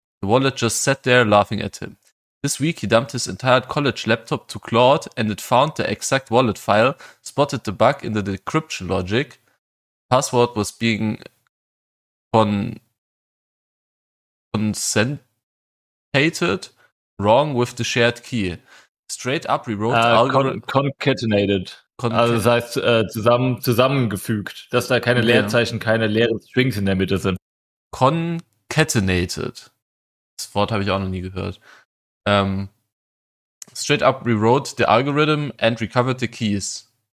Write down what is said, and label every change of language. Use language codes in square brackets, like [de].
[en] The wallet just sat there laughing at him. This week he dumped his entire college laptop to Claude and it found the exact wallet file, spotted the bug in the decryption logic. Password was being concentrated wrong with the shared key. Straight up rewrote concatenated. [de] Also das heißt zusammengefügt, dass da keine Leerzeichen, keine leeren Strings in der Mitte sind. [en] Concatenated. [de] Das Wort habe ich auch noch nie gehört. [en] Straight up rewrote the algorithm and recovered the keys.